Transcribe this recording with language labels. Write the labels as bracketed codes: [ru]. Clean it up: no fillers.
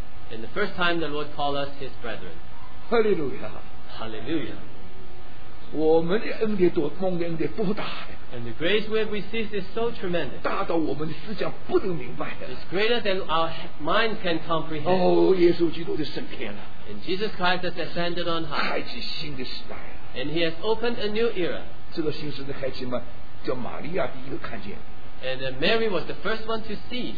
[en] And the first time the Lord called us His brethren. Hallelujah. Hallelujah. [zh] 我们的恩典多，梦的恩典多大！ [en] And the grace we have received is so tremendous. It's greater than our minds can comprehend. Oh, and Jesus Christ has ascended on high. And He has opened a new era. And Mary was the first one to see.